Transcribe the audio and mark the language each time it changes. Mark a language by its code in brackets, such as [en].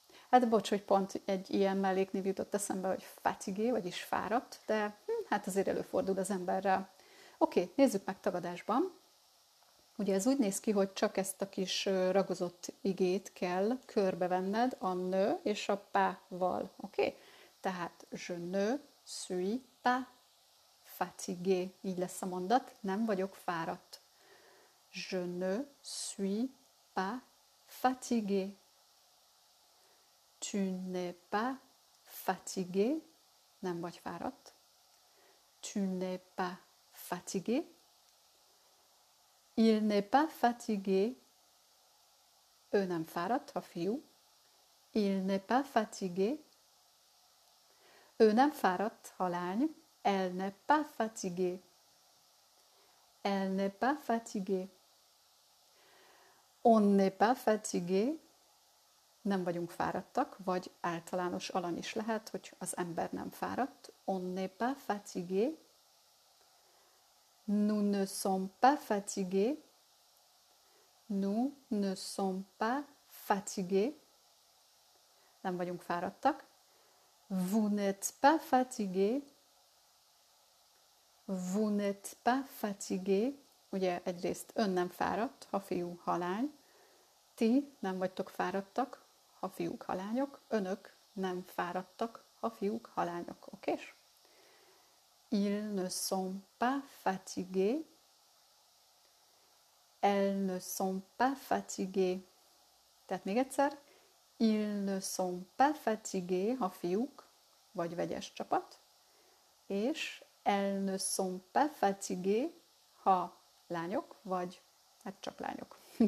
[hu] Hát bocs, hogy pont egy ilyen melléknév jutott eszembe, hogy fatigué, vagyis fáradt, de hát azért előfordul az emberrel. Oké, nézzük meg tagadásban. Ugye ez úgy néz ki, hogy csak ezt a kis ragozott igét kell körbevenned a nő és a pával. Oké? Tehát [fr] je ne suis pas fatigué. [hu] Így lesz a mondat. Nem vagyok fáradt. [fr] Je ne suis pas fatigué. Tu n'es pas fatigué. [hu] Nem vagy fáradt. [fr] Tu n'es pas fatigué. Il n'est pas fatigué. [hu] Ő nem fáradt, ha fiú. [fr] Il n'est pas fatigué. [hu] Ő nem fáradt, ha lány. [fr] Elle n'est pas fatiguée. Elle n'est pas fatiguée. On n'est pas fatigué. [hu] Nem vagyunk fáradtak, vagy általános alany is lehet, hogy az ember nem fáradt. [fr] On n'est pas fatigué. Nous ne sommes pas fatigués. Nous ne sommes pas fatigués. [hu] Nem vagyunk fáradtak. [fr] Vous n'êtes pas fatigués. Vous n'êtes pas fatigués. [hu] Ugye egyrészt ön nem fáradt, ha fiú, ha lány. Ti nem vagytok fáradtak, ha fiúk, ha lányok. Önök nem fáradtak, ha fiúk, ha lányok. Oké? [fr] Ils ne sont pas fatigués. Elles ne sont pas fatiguées. [hu] Tehát még egyszer. [fr] Ils ne sont pas fatigués, [hu] ha fiúk, vagy vegyes csapat. És [fr] elles ne sont pas fatiguées, [hu] ha lányok, vagy hát csak lányok.